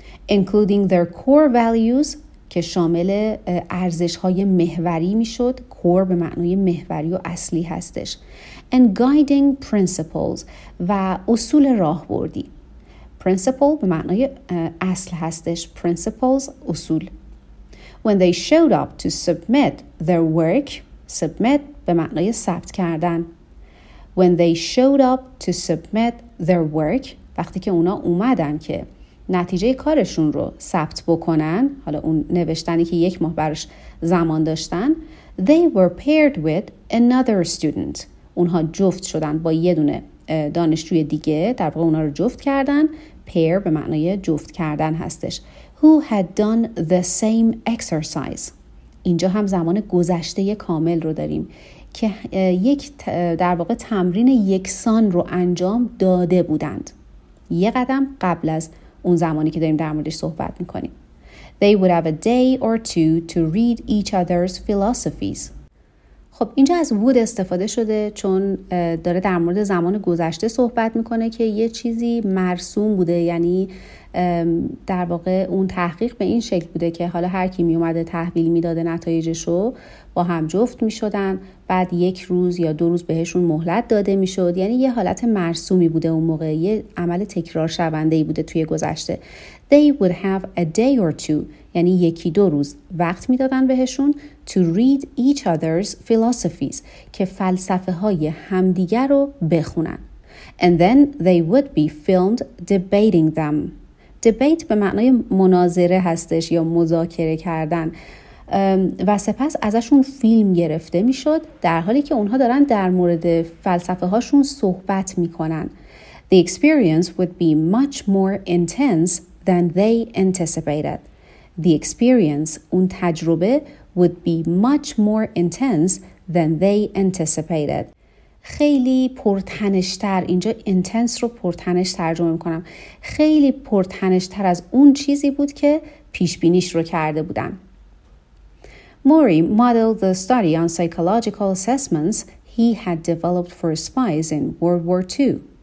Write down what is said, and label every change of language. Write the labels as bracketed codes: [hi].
[en] Including their core values [fa] که شامل ارزش‌های محوری میشد. Core به معنای محوری و اصلی هستش. [en] And guiding principles [fa] و اصول راهبردی. Principle به معنای اصل هستش. Principles اصول. [en] When they showed up to submit their work. [fa] Submit به معنای ثبت کردن. [en] When they showed up to submit their work. [fa] وقتی که اونا اومدن که نتیجه کارشون رو ثبت بکنن. حالا اون نوشتنی که یک ماه براش زمان داشتن. [en] They were paired with another student. [fa] اونها جفت شدن با یه دونه دانشجوی دیگه. در واقع اونها رو جفت کردن. Pair به معنای جفت کردن هستش. [en] Who had done the same exercise. [fa] اینجا هم زمان گذشته کامل رو داریم که یک در واقع تمرین یکسان رو انجام داده بودند. یه قدم قبل از اون زمانی که داریم در موردش صحبت میکنیم. [en] They would have a day or two to read each other's philosophies. [fa] خب اینجا از would استفاده شده چون داره در مورد زمان گذشته صحبت میکنه که یه چیزی مرسوم بوده، یعنی در واقع اون تحقیق به این شکل بوده که حالا هر کی می اومده تحویل میداده نتایجشو با هم جفت میشدن، بعد یک روز یا دو روز بهشون مهلت داده میشد، یعنی یه حالت مرسومی بوده اون موقع، یه عمل تکرار شونده ای بوده توی گذشته. [en] They would have a day or two [fa] یعنی یکی دو روز وقت میدادن بهشون [en] to read each other's philosophies [fa] که فلسفه های همدیگر رو بخونن. [en] And then they would be filmed debating them. [fa] دبیت به معنای مناظره هستش یا مذاکره کردن، و سپس ازشون فیلم گرفته می شد در حالی که اونها دارن در مورد فلسفه هاشون صحبت می کنن. [en] The experience would be much more intense than they anticipated. The experience [fa] اون تجربه [en] would be much more intense than they anticipated. [fa] خیلی پرتنشتر، اینجا انتنس رو پرتنش ترجمه میکنم، خیلی پرتنشتر از اون چیزی بود که پیشبینیش رو کرده بودن. [en] Murray modeled the study on psychological assessments he had developed for spies in World War II.